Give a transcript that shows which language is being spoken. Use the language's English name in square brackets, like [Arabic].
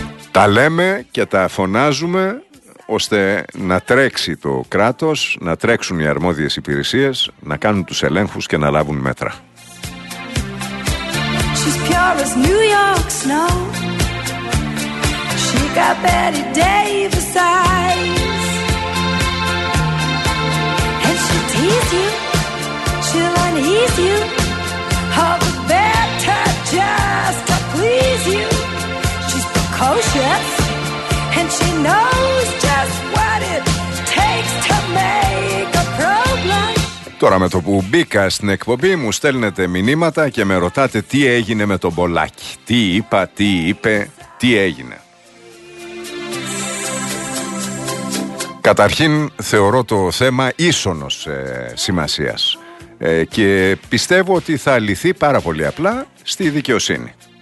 [Greek] Τα λέμε και τα φωνάζουμε ώστε να τρέξει το κράτος, να τρέξουν οι αρμόδιες υπηρεσίες, να κάνουν τους ελέγχους και να λάβουν μέτρα. [English] She's pure as New York snow. She got Betty Davis eyes. And she'll tease you, she'll unease you. All the better just to please you. She's precocious. And she knows just what it takes to make a problem. [Greek] Τώρα με το που μπήκα στην εκπομπή μου στέλνετε μηνύματα και με ρωτάτε τι έγινε με τον Μπολάκη. Τι είπα, τι είπε, τι έγινε. Καταρχήν θεωρώ το θέμα ίσονος σημασίας και πιστεύω ότι θα λυθεί πάρα πολύ απλά στη δικαιοσύνη.